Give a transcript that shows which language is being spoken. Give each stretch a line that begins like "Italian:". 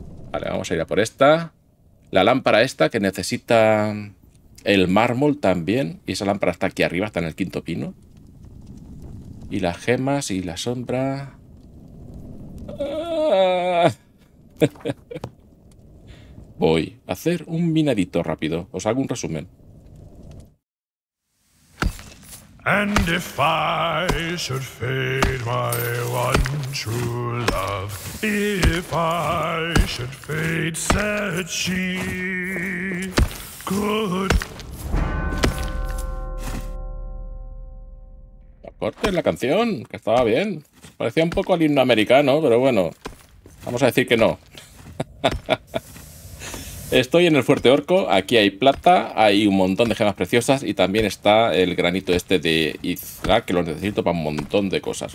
Spanish: Vale, vamos a ir a por esta. La lámpara esta que necesita el mármol también. Y esa lámpara está aquí arriba, está en el quinto pino. Y las gemas y la sombra. Voy a hacer un minadito rápido. Os hago un resumen.
English: And if I should fade my one true love, if I should fade, said she, good.
Spanish: Corte en la canción, que estaba bien. Parecía un poco al himno americano, pero bueno, vamos a decir que no. Estoy en el fuerte orco, aquí hay plata, hay un montón de gemas preciosas y también está el granito este de Izra, que lo necesito para un montón de cosas.